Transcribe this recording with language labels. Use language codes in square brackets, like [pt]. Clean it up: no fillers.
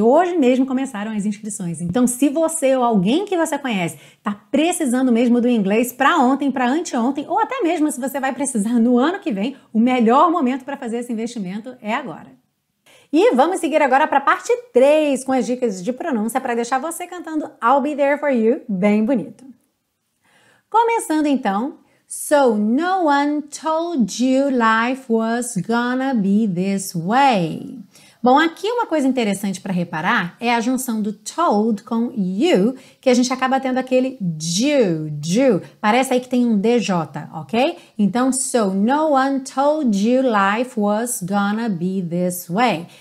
[pt] Hoje mesmo começaram as inscrições. Então, se você ou alguém que você conhece está precisando mesmo do inglês para ontem, para anteontem, ou até mesmo se você vai precisar no ano que vem, o melhor momento para fazer esse investimento é agora. E vamos seguir agora para a parte 3 com as dicas de pronúncia para deixar você cantando I'll Be There For You bem bonito. Começando então... [en] So no one told you life was gonna be this way. [pt] Bom, aqui uma coisa interessante para reparar é a junção do told com you, que a gente acaba tendo aquele you. Parece aí que tem um DJ, ok? Então, [en] so no one told you life was gonna be this way.